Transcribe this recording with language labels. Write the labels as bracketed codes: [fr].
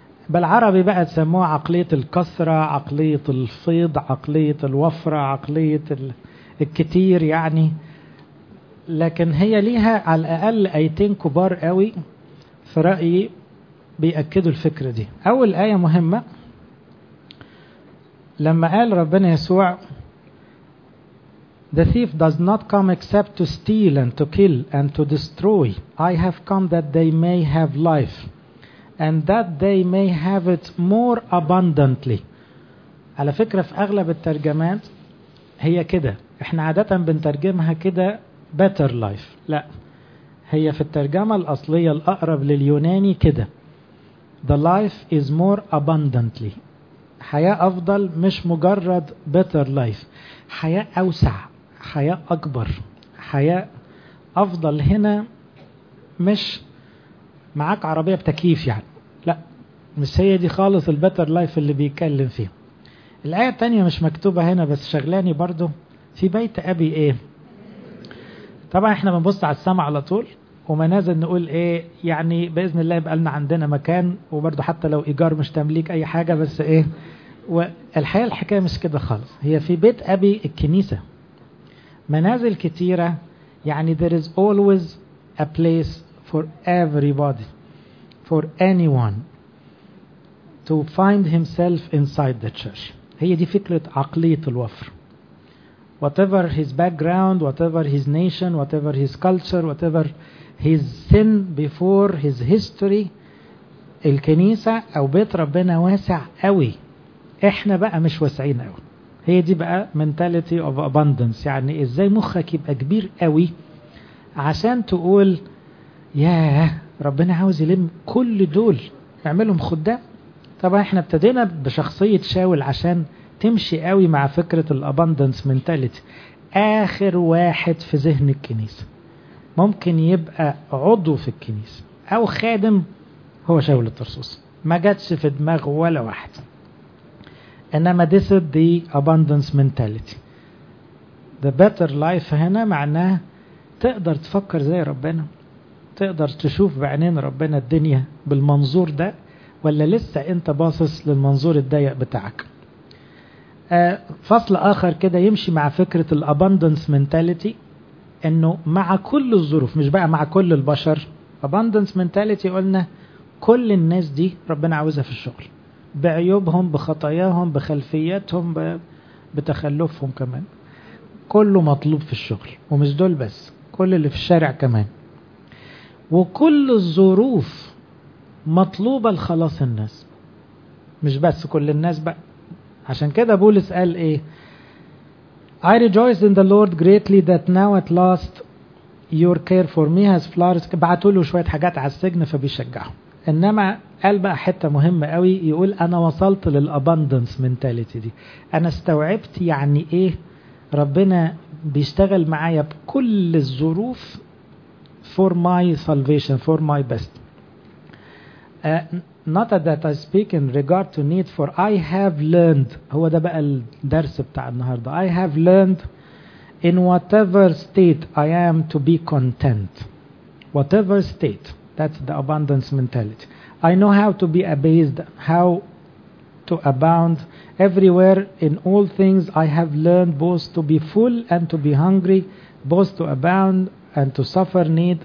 [ar] بالعربي بقى تسموه عقلية الكثرة، عقلية الفيض، عقلية الوفرة، عقلية الكتير يعني. لكن هي ليها على الأقل آيتين كبار قوي في رأيي بيأكدوا الفكرة دي. أول آية مهمة لما قال ربنا يسوع [en] The thief does not come except to steal and to kill and to destroy. I have come that they may have life and that they may have it more abundantly. [ar] على فكرة في أغلب الترجمات هي كده، احنا عادة بنترجمها كده [en] better life. [ar] لا، هي في الترجمة الأصلية الأقرب لليوناني كده [en] The life is more abundantly. [ar] حياة أفضل، مش مجرد [en] better life، [ar] حياة أوسع، حياة أكبر، حياة أفضل. هنا مش معاك عربية بتكييف يعني، لا مش هي دي خالص البتر لايف اللي بيكلم فيه. الآية التانية مش مكتوبة هنا بس شغلاني برضو، في بيت أبي إيه؟ طبعا احنا بنبص على السماء على طول ومنازل، نقول إيه يعني بإذن الله يبقى لنا عندنا مكان، وبرضو حتى لو إيجار مش تمليك أي حاجة بس إيه. والحقيقة الحكاية مش كده خالص، هي في بيت أبي الكنيسة منازل كتيرة، يعني [en] there is always a place for everybody, for anyone to find himself inside the church. [ar] هي دي فكرة عقلية الوفر. [en] Whatever his background, whatever his nation, whatever his culture, whatever his sin before his history, [ar] الكنيسة أو بيت ربنا واسع قوي، إحنا بقى مش واسعين قوي. هي دي بقى [en] mentality of abundance، [ar] يعني إزاي مخك يبقى كبير قوي عشان تقول ياه ربنا عاوز يلم كل دول يعملهم خدام. طبعا احنا ابتدينا بشخصية شاول عشان تمشي قوي مع فكرة الابندنس منتاليتي، آخر واحد في ذهن الكنيسة ممكن يبقى عضو في الكنيسة أو خادم هو شاول الطرسوس، ما جاتش في دماغه ولا واحد. إنما [en] this is the abundance mentality. The better life [ar] هنا معناه تقدر تفكر زي ربنا، تقدر تشوف بعينين ربنا الدنيا بالمنظور ده، ولا لسه أنت باصص للمنظور الضيق بتاعك. فصل آخر كده يمشي مع فكرة الabundance mentality، إنه مع كل الظروف، مش بقى مع كل البشر. abundance mentality قلنا كل الناس دي ربنا عاوزها في الشغل، بعيوبهم، بخطاياهم، بخلفياتهم، بتخلفهم كمان، كله مطلوب في الشغل. ومش دول بس، كل اللي في الشارع كمان، وكل الظروف مطلوبة لخلاص الناس، مش بس كل الناس بقى. عشان كده بولس قال ايه، [en] I rejoice in the Lord greatly that now at last your care for me has flourished. [ar] بعتوله شوية حاجات على السجن فبيشجعه. انما قال بقى حتة مهمة قوي، يقول انا وصلت للأباندنس منتاليتي دي، انا استوعبت يعني ايه ربنا بيشتغل معايا بكل الظروف [en] for my salvation, for my best. Not that I speak in regard to need, for I have learned. [ar] هو ده بقى الدرس بتاع النهاردة. [en] I have learned in whatever state I am to be content. Whatever state. That's the abundance mentality. I know how to be abased, how to abound. Everywhere in all things I have learned both to be full and to be hungry, both to abound and to suffer need.